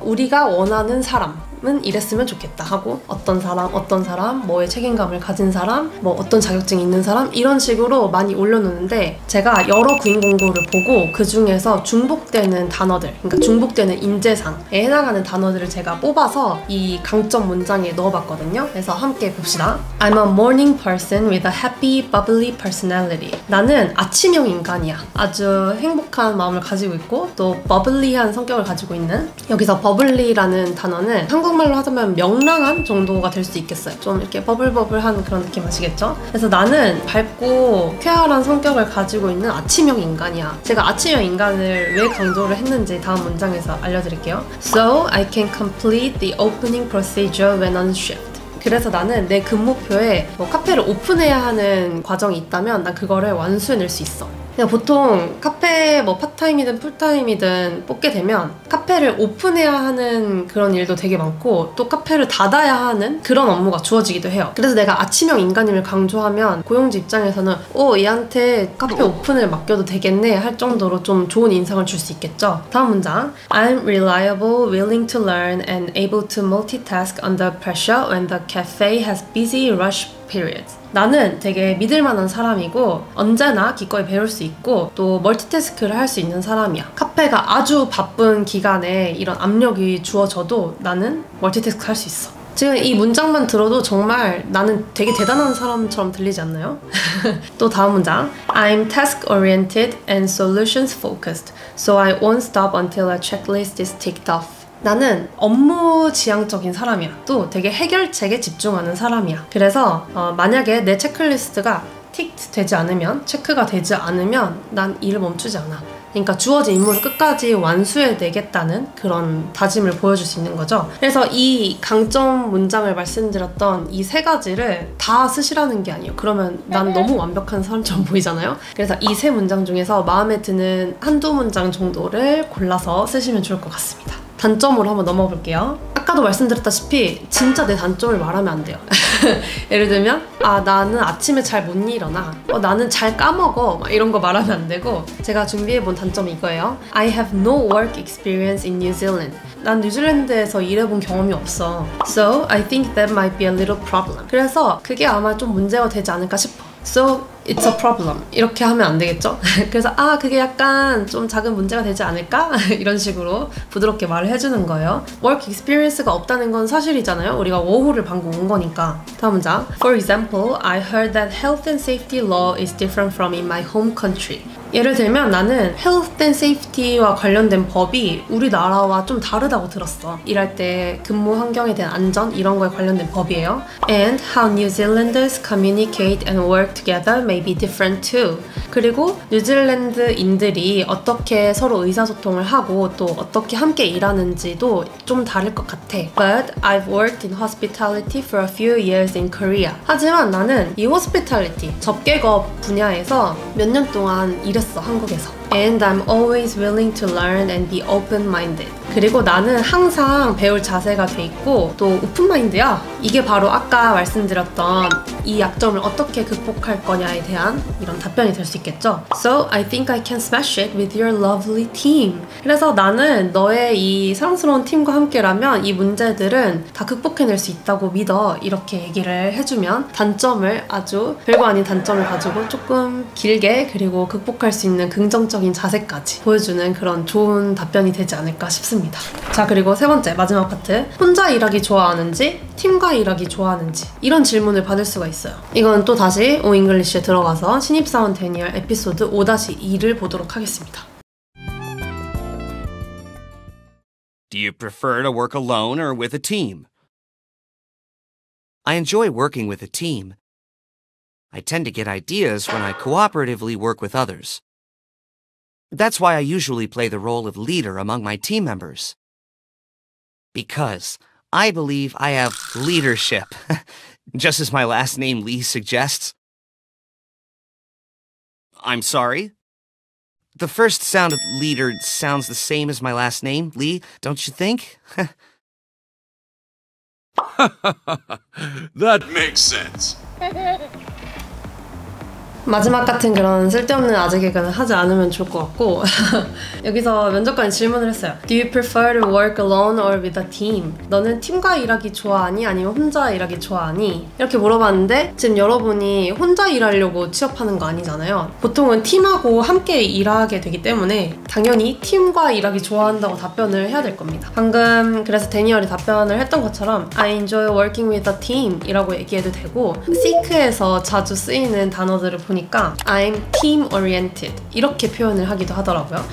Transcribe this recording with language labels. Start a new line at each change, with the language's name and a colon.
Korean: 우리가 원하는 사람 은 이랬으면 좋겠다 하고 어떤 사람, 뭐의 책임감을 가진 사람, 뭐 어떤 자격증이 있는 사람 이런 식으로 많이 올려놓는데 제가 여러 구인 공고를 보고 그 중에서 중복되는 단어들, 그러니까 중복되는 인재상에 해당하는 단어들을 제가 뽑아서 이 강점 문장에 넣어봤거든요. 그래서 함께 봅시다.
English: I'm a morning person with a happy, bubbly personality.
Korean: 나는 아침형 인간이야. 아주 행복한 마음을 가지고 있고 또 bubbly한 성격을 가지고 있는. 여기서 bubbly라는 단어는 한국말로 하자면 명랑한 정도가 될 수 있겠어요. 좀 이렇게 버블버블한 그런 느낌 아시겠죠? 그래서 나는 밝고 쾌활한 성격을 가지고 있는 아침형 인간이야. 제가 아침형 인간을 왜 강조를 했는지 다음 문장에서 알려드릴게요.
English: So I can complete the opening procedure when on shift.
Korean: 그래서 나는 내 근무표에 뭐 카페를 오픈해야 하는 과정이 있다면 난 그거를 완수해낼 수 있어. 그냥 보통 카페 뭐 파트타임이든 풀타임이든 뽑게 되면 카페를 오픈해야 하는 그런 일도 되게 많고 또 카페를 닫아야 하는 그런 업무가 주어지기도 해요. 그래서 내가 아침형 인간임을 강조하면 고용주 입장에서는 오, 얘한테 카페 오픈을 맡겨도 되겠네 할 정도로 좀 좋은 인상을 줄 수 있겠죠. 다음 문장.
English: I'm reliable, willing to learn and able to multitask under pressure when the cafe has busy rush periods.
Korean: 나는 되게 믿을만한 사람이고 언제나 기꺼이 배울 수 있고 또 멀티태스크를 할 수 있는 사람이야. 카페가 아주 바쁜 기간에 이런 압력이 주어져도 나는 멀티태스크 할 수 있어. 지금 이 문장만 들어도 정말 나는 되게 대단한 사람처럼 들리지 않나요? 또 다음 문장.
English: I'm task-oriented and solutions-focused, so I won't stop until a checklist is ticked off.
Korean: 나는 업무 지향적인 사람이야. 또 되게 해결책에 집중하는 사람이야. 그래서 만약에 내 체크리스트가 틱트 되지 않으면, 체크가 되지 않으면 난 일을 멈추지 않아. 그러니까 주어진 임무를 끝까지 완수해야 되겠다는 그런 다짐을 보여줄 수 있는 거죠. 그래서 이 강점 문장을 말씀드렸던 이 세 가지를 다 쓰시라는 게 아니에요. 그러면 난 너무 완벽한 사람처럼 보이잖아요. 그래서 이 세 문장 중에서 마음에 드는 한두 문장 정도를 골라서 쓰시면 좋을 것 같습니다. 단점으로 한번 넘어 볼게요. 아까도 말씀드렸다시피 진짜 내 단점을 말하면 안 돼요. 예를 들면 아 나는 아침에 잘 못 일어나, 나는 잘 까먹어 막 이런 거 말하면 안 되고 제가 준비해본 단점이 이거예요.
English: I have no work experience in New Zealand.
Korean: 난 뉴질랜드에서 일해본 경험이 없어.
English: So I think that might be a little problem.
Korean: 그래서 그게 아마 좀 문제가 되지 않을까 싶어.
English: So it's a problem.
Korean: 이렇게 하면 안 되겠죠? 그래서 아 그게 약간 좀 작은 문제가 되지 않을까? 이런 식으로 부드럽게 말을 해주는 거예요.
English: Work experience
Korean: 가 없다는 건 사실이잖아요. 우리가 워홀을 방금 온 거니까. 다음 문장.
English: For example, I heard that health and safety law is different from in my home country.
Korean: 예를 들면 나는
English: health and safety
Korean: 와 관련된 법이 우리나라와 좀 다르다고 들었어. 일할 때 근무 환경에 대한 안전 이런 거에 관련된 법이에요.
English: And how New Zealanders communicate and work together may be different too.
Korean: 그리고 뉴질랜드인들이 어떻게 서로 의사소통을 하고 또 어떻게 함께 일하는지도 좀 다를 것 같아.
English: But I've worked in hospitality for a few years in Korea.
Korean: 하지만 나는 이 hospitality, 접객업 분야에서 몇 년 동안 일했어, 한국에서.
English: And I'm always willing to learn and be open-minded.
Korean: 그리고 나는 항상 배울 자세가 돼 있고 또 open-minded야. 이게 바로 아까 말씀드렸던 이 약점을 어떻게 극복할 거냐에 대한 이런 답변이 될 수 있겠죠.
English: So I think I can smash it with your lovely team.
Korean: 그래서 나는 너의 이 사랑스러운 팀과 함께라면 이 문제들은 다 극복해낼 수 있다고 믿어. 이렇게 얘기를 해주면 단점을 아주 별거 아닌 단점을 가지고 조금 길게 그리고 극복할 수 있는 긍정적인 자세까지 보여주는 그런 좋은 답변이 되지 않을까 싶습니다. 자, 그리고 세 번째 마지막 파트. 혼자 일하기 좋아하는지 팀과 일하기 좋아하는지 이런 질문을 받을 수가 있어요. 이건 또 다시 오 잉글리쉬에 들어가서 신입사원 대니얼 에피소드 5-2를 보도록 하겠습니다.
English: Do you prefer to work alone or with a team? I enjoy working with a team. I tend to get ideas when I cooperatively work with others. That's why I usually play the role of leader among my team members. Because I believe I have leadership, just as my last name Lee suggests. I'm sorry? The first sound of leader sounds the same as my last name, Lee, don't you think? That makes sense.
Korean: 마지막 같은 그런 쓸데없는 아재 개그는 하지 않으면 좋을 것 같고 여기서 면접관이 질문을 했어요.
English: Do you prefer to work alone or with a team?
Korean: 너는 팀과 일하기 좋아하니? 아니면 혼자 일하기 좋아하니? 이렇게 물어봤는데 지금 여러분이 혼자 일하려고 취업하는 거 아니잖아요. 보통은 팀하고 함께 일하게 되기 때문에 당연히 팀과 일하기 좋아한다고 답변을 해야 될 겁니다. 방금 그래서 대니얼이 답변을 했던 것처럼
English: I enjoy working with a team
Korean: 이라고 얘기해도 되고 시크에서 자주 쓰이는 단어들을 보니까
English: I'm team oriented
Korean: 이렇게 표현을 하기도 하더라고요.